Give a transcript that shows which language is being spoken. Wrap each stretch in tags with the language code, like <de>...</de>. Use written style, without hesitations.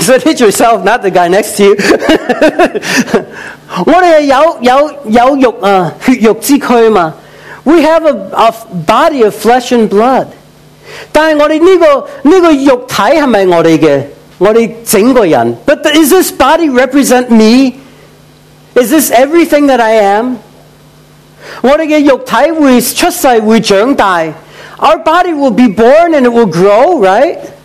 <en>So hit yourself, not the guy next to you.</en> <zh>我们有血肉之躯嘛。</zh> <en>We have a body of flesh and blood.</en> <zh>但是我们这个肉体是不是我们的？我们整个人,</zh> <en>but is this body represent me? Is this everything that I am?</en> <zh>我们的肉体会出世会长大,</zh> <en>our body will be born and it will grow, right?</en>